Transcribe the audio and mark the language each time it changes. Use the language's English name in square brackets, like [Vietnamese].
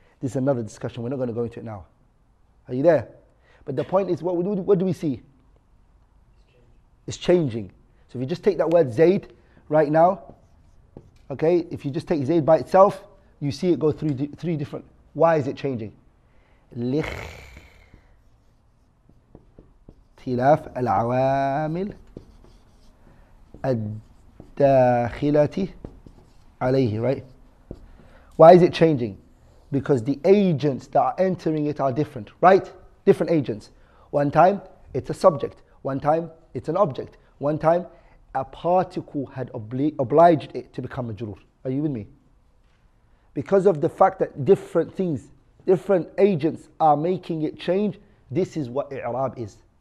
[English] This is another discussion, we're not going to go into it now. Are you there? But the point is, what do we see? It's changing. So if you just take that word zayd right now, okay, if you just take zayd by itself, you see it go through three different. Why is it changing? [Arabic] لاختلاف العوامل الداخلة عليه, right? [English] Why is it changing? Because the agents that are entering it are different, right? Different agents. One time it's a subject, one time it's an object, one time a particle had obliged it to become majrur. Are you with me? Because of the fact that different things, different agents are making it change, this is what i'rab is.